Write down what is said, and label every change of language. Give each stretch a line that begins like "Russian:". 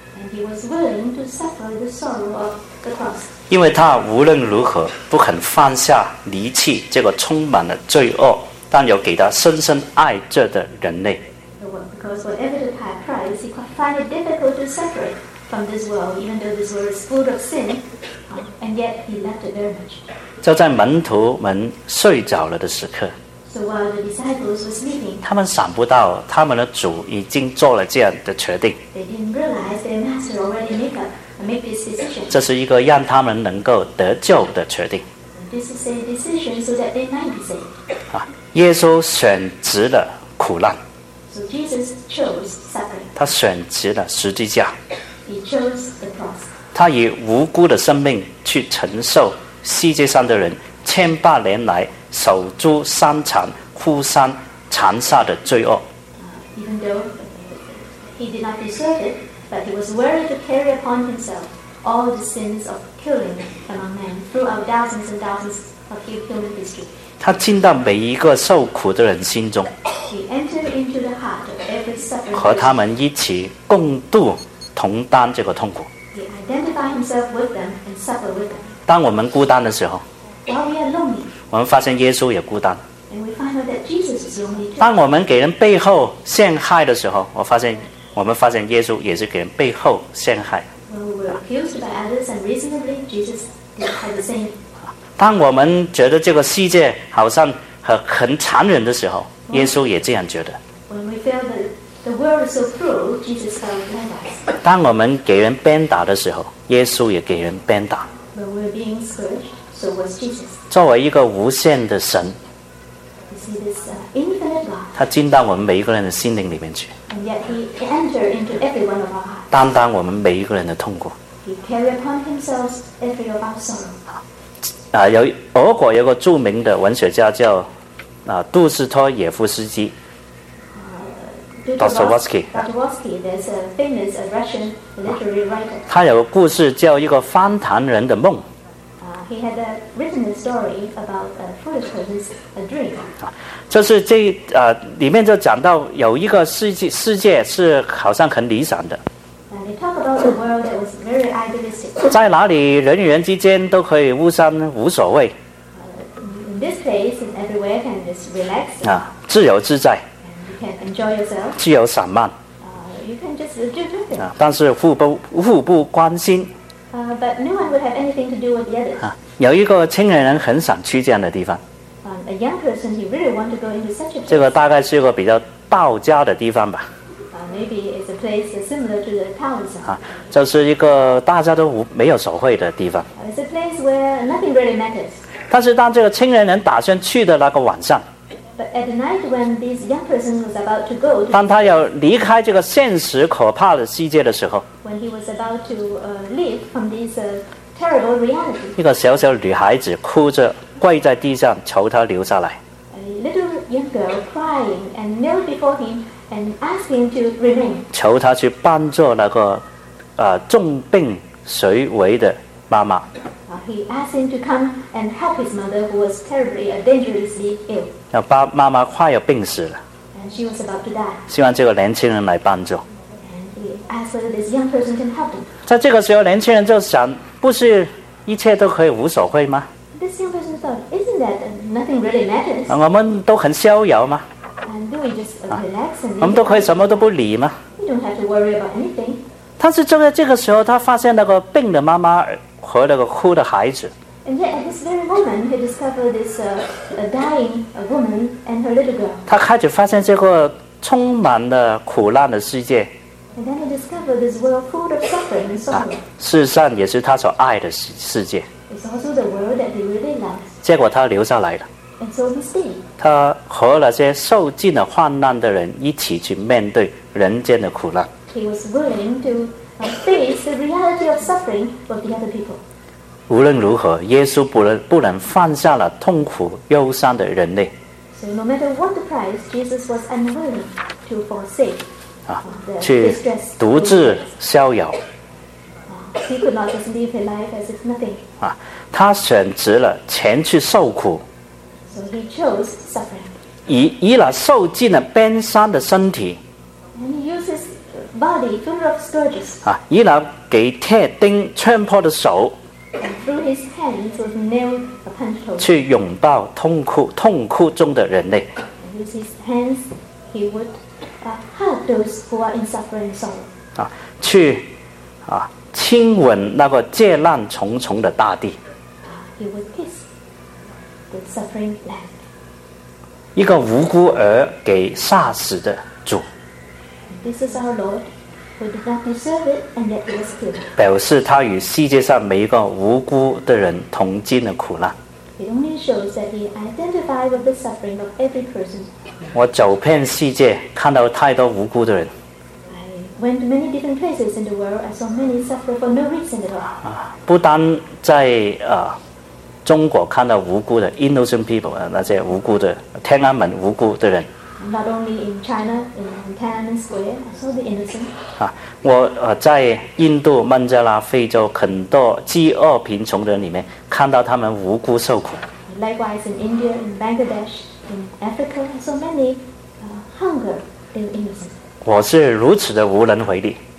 English: And he was willing to suffer the sorrow of the cross.
Chinese: 因为他无论如何不肯放下离弃这个充满了罪恶但又给他深深爱着的人类。
English: Because whatever the high price, he could find it difficult to suffer from this world, even though this world is full of sin, and yet he loved it very much.
Chinese: 就在门徒们睡着了的时刻。
English: So while the disciples were sleeping,
Chinese: 他们想不到他们的主已经做了这样的决定。
English: They didn't realize their master already made this decision.
Chinese: 这是一个让他们能够得救的决定。
English: And this is a decision so that they might be saved.
Chinese: 耶稣选择了苦难。
English: So Jesus chose suffering.
Chinese: 他选择了十字架。
English: He chose the cross.
Chinese: 他以无辜的生命去承受世界上的人千百年来守株三残呼三残杀的罪恶。
English: Even though he did not deserve it, but he was willing to carry upon himself all the sins of killing among men throughout thousands and thousands of human history.
Chinese: 他进到每一个受苦的人心中。
English: He entered into the heart of every suffering.
Chinese: 和他们一起共度同担这个痛苦。
English: He identified himself with them and suffered with them.
Chinese: 当我们孤单的时候。
English: While we are lonely,
Chinese: 我们发现耶稣也孤单。
English: And we find out that Jesus is lonely too.
Chinese: 当我们给人背后陷害的时候，我们发现耶稣也是给人背后陷害。
English: When we were accused by others unreasonably, Jesus did the same.
Chinese: 当我们觉得这个世界好像很残忍的时候，耶稣也这样觉得。
English: When we feel that the world is so cruel, Jesus felt like that.
Chinese: 当我们给人鞭打的时候，耶稣也给人鞭打。
English: When we are being scourged. So was Jesus.
Chinese: 作为一个无限的神
English: you see this, God,
Chinese: 他进到我们每一个人的心灵里面去
English: and yet he entered into every one of our hearts.
Chinese: 担当我们每一个人的痛苦
English: he carried upon himself every of our sorrow.
Chinese: 有俄国有个著名的文学家叫杜斯托耶夫斯基
English: Dostoevsky. There's a famous Russian literary writer.
Chinese: 他有个故事叫一个荒唐人的梦
English: He had written a story about a foolish person's dream.
Chinese: 就是这里面就讲到有一个世界是好像很理想的。
English: And they talk about a world that was very idealistic.
Chinese: 在哪里人与人之间都可以互相无所谓。
English: In this place and everywhere can just relax.
Chinese: 自由自在。
English: And you can enjoy yourself.
Chinese: 自由散漫。
English: You can just do things.
Chinese: 但是互不关心。
English: But no one would have anything to do with the others.
Chinese: 有一个青年人很想去这样的地方。
English: A young person, he really wanted to go into such a place.
Chinese: 这个大概是一个比较道家的地方吧。
English: Maybe it's a place similar to the Taoism.
Chinese: 就是一个大家都没有所谓的地方。
English: It's a place where nothing really matters.
Chinese: 但是当这个青年人打算去的那个晚上。
English: But at night when this young person was about to go.
Chinese: 当他要离开这个现实可怕的世界的时候。
English: When he was about to leave from this terrible reality.
Chinese: 一个小小女孩子哭着跪在地上求他留下来。
English: A little young girl crying and knelt before him and asked him to remain.
Chinese: 求他去帮助那个重病垂危的妈妈。
English: He asked him to come and help his mother, who was terribly, dangerously ill.
Chinese: 要把妈妈快要病死了。
English: And she was about to die.
Chinese: 希望这个年轻人来帮助。
English: And he asked whether this young person can help him.
Chinese: 在这个时候，年轻人就想，不是一切都可以无所谓吗
English: ？This young person thought, isn't that nothing really matters?
Chinese: 我们都很逍遥吗
English: ？And do we just relax and?
Chinese: 我们都可以什么都不理吗
English: ？We don't have to worry about anything.
Chinese: 但是就在这个时候，他发现那个病的妈妈。和那个哭的孩子。
English: And yet, at this very moment, he discovered this dying woman and her little girl.
Chinese: 他开始发现这个充满了苦难的世界。
English: And then he discovered this world full of suffering and sorrow.
Chinese: 事实上，也是他所爱的世界。
English: It's also the world that he really loves.
Chinese: 结果他留下来了。
English: And so he stayed.
Chinese: 他和那些受尽了患难的人一起去面对人间的苦难。
English: He was willing to. Face the reality of suffering of the other people.
Chinese: 无论如何，耶稣不能放下了痛苦忧伤的人类。
English: So no matter what the price, Jesus was unwilling to forsake the distress.
Chinese: 去独自逍遥。
English: He could not just live his life as if nothing.
Chinese: 他选择了前去受苦。
English: So he chose suffering.
Chinese: 以那受尽了鞭伤的身体。
English: And he uses body full of scourges.
Chinese: 啊，以拿给铁钉穿破的手。
English: Through his hands was nailed a punch hole.
Chinese: 去拥抱痛苦中的人类。
English: With his hands, he would hug those who are in suffering sorrow.
Chinese: 啊，去啊，亲吻那个劫难重重的大地。
English: He would kiss the suffering land.
Chinese: 一个无辜而给杀死的主。
English: This is our Lord who did not deserve it and yet was killed.
Chinese: 表示他与世界上每一个无辜的人同经的苦难。
English: It only shows that he identified with the suffering of every person.
Chinese: 我走遍世界，看到太多无辜的人。
English: I went to many different places in the world. I saw many suffer for no reason at all.
Chinese: 不单在中国看到无辜的
English: innocent people，
Chinese: 那些无辜的天安门无辜的人。
English: Not only in China, in Tiananmen Square, I saw the innocent.
Chinese: 我在印度孟加拉非洲很多饥饿贫穷的人里面看到他们无辜受苦。
English: Likewise in India, in Bangladesh, in Africa, I saw many hunger in innocent.
Chinese: 我是如此的无能为力。